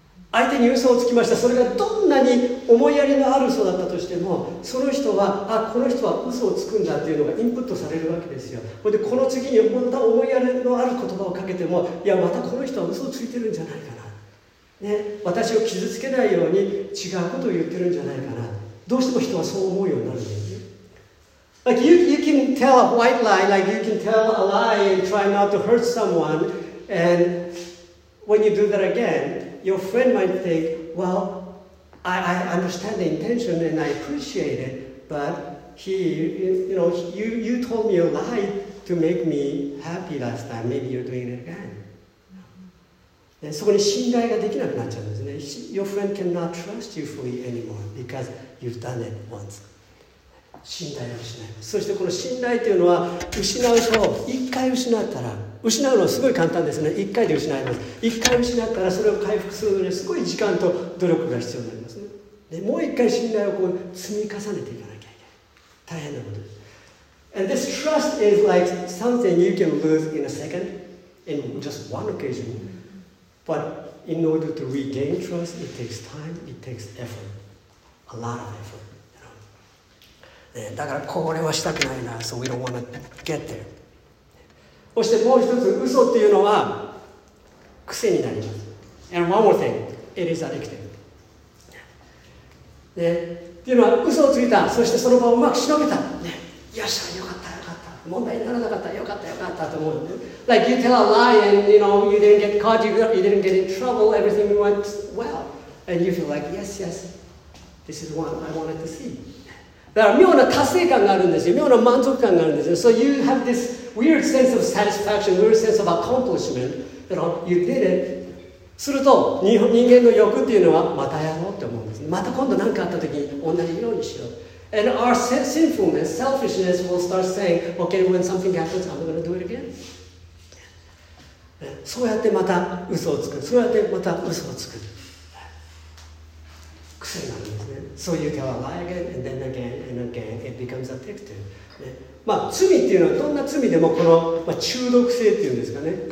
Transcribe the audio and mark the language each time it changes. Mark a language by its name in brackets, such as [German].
[Japanese] 相手に嘘をつきました。それがどんなに思いやりのある嘘だったとしても、その人は、あ、この人は嘘をつくんだっていうのがインプットされるわけですよ。で、この次にまた思いやりのある言葉をかけても、いや、またこの人は嘘をついてるんじゃないかな。ね、私を傷つけないように違うことを言ってるんじゃないかな。どうしても人はそう思うようになるんですよ。 [English] Like, you can tell a white lie, like you can tell a lie and try not to hurt someone, and when you do that again,Your friend might think, well, I understand the intention and I appreciate it, but he, you know, you told me a lie to make me happy last time. Maybe you're doing it again. [Japanese] And そこに信頼ができなくなっちゃうんですね。 [English] Your friend cannot trust you fully anymore because you've done it once. [Japanese] 信頼を失います。そしてこの信頼というのは失うと、一回失ったら、失うのはすごい簡単ですね。一回で失います。一回失ったらそれを回復するのにすごい時間と努力が必要になりますね。でもう一回信頼をこう積み重ねていかなきゃいけない。大変なことです。 [English] And this trust is like something you can lose in a second, in just one occasion. But in order to regain trust, it takes time, it takes effort. A lot of effort. You know? [Japanese] ね、だからこれはしたくないな。 [English] So we don't want to get there. [Japanese] そしてもう一つ、嘘っていうのは癖になります。 [English] And one more thing, it is addictive. [Japanese] っていうのは、嘘をついた、そしてその場をうまくしのげた。よっしゃ、よかった、よかった。問題にならなかった、よかった、よかったと思う。 [English] Like you tell a lie and you know, you didn't get caught, you didn't get in trouble, everything went well. And you feel like, yes, yes, this is one I wanted to see. [Japanese] だから妙な達成感があるんですよ。妙な満足感があるんですよ。 [English] So you have this weird sense of satisfaction, weird sense of accomplishment. That you did it. [Japanese] すると人間の欲っていうのはまたやろうって思うんですね。また今度何かあった時に同じようにしよう。 [English] And our sinfulness, selfishness will start saying, okay, when something happens, I'm going to do it again. [Japanese] そうやってまた嘘をつく。そうやってまた嘘をつく。癖になるんですね。 [English] So you tell a lie again, and then again, and again, it becomes addictive.、 [Japanese] ね、まあ、罪っていうのはどんな罪でもこの、まあ、中毒性っていうんですかね。